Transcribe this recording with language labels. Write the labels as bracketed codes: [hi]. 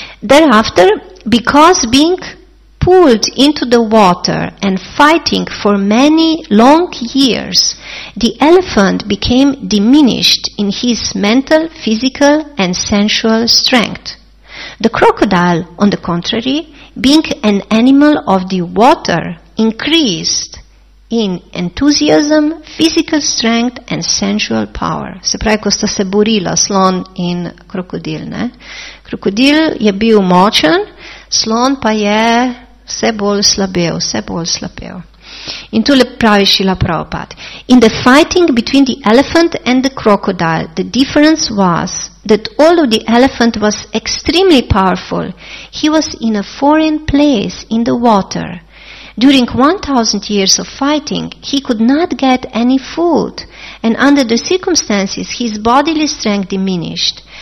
[en] Thereafter, because being pulled into the water and fighting for many long years, the elephant became diminished in his mental, physical and sensual strength. The crocodile, on the contrary, being an animal of the water, increased in enthusiasm, physical strength and sensual power. [sl] Se pravi, ko sta se borila slon in krokodil. Ne? Krokodil je bil močen, slon pa je vse bolj slabel. In tule pravi Šila Prabhupada. [en] In the fighting between the elephant and the crocodile, the difference was that although the elephant was extremely powerful, he was in a foreign place in the water. During 1,000 years of fighting, he could not get any food, and under the circumstances, his bodily strength diminished.